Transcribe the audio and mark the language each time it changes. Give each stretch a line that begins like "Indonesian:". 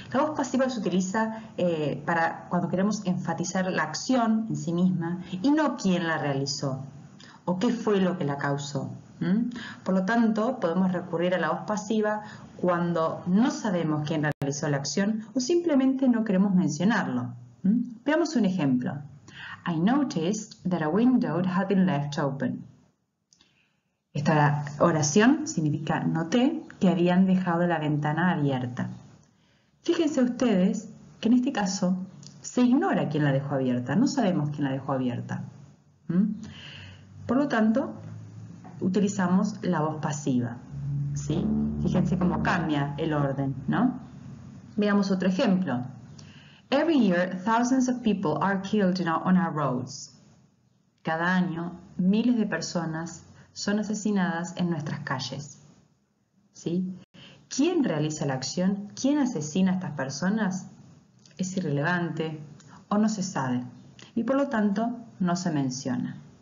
Spanish: La voz pasiva se utiliza para cuando queremos enfatizar la acción en sí misma y no quién la realizó o qué fue lo que la causó. Por lo tanto, podemos recurrir a la voz pasiva cuando no sabemos quién realizó la acción o simplemente no queremos mencionarlo. Veamos un ejemplo.
English: I noticed that a window had been left open.
Spanish: Esta oración significa noté que habían dejado la ventana abierta. Fíjense ustedes que en este caso se ignora quién la dejó abierta, no sabemos quién la dejó abierta. Por lo tanto, utilizamos la voz pasiva, ¿sí? Fíjense cómo cambia el orden, ¿no? Veamos otro ejemplo.
English: Every year, thousands of people are killed on our roads.
Spanish: Cada año, miles de personas son asesinadas en nuestras calles. ¿Sí? ¿Quién realiza la acción? ¿Quién asesina a estas personas? Es irrelevante o no se sabe. Y por lo tanto, no se menciona.